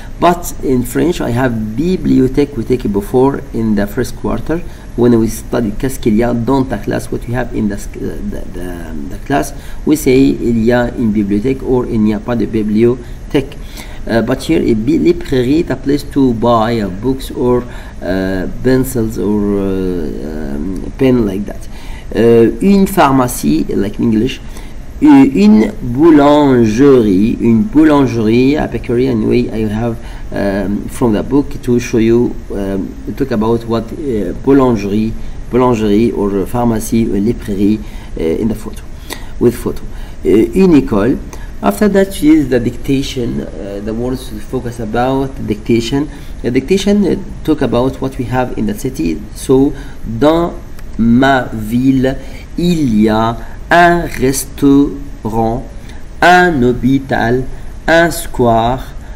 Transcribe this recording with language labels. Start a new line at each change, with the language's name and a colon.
English: But in French I have bibliothèque, we take it before in the first quarter when we study
French: qu'est-ce qu'il y a dans ta classe,
English: what we have in the class, we say
French: il y a une bibliothèque
English: or
French: il n'y a pas de bibliothèque.
English: But here a librairie, the place to buy books or pencils or pen, like that.
French: Une pharmacie,
English: like in English,
French: une boulangerie, une boulangerie,
English: a bakery. Anyway, I have from the book to show you, talk about what boulangerie or pharmacie or librairie in the photo, with photo. Une école. After that is the dictation, the words to focus about dictation. The dictation talk about what we have in the city.
French: So dans ma ville, il y a un restaurant, un hôpital, un square,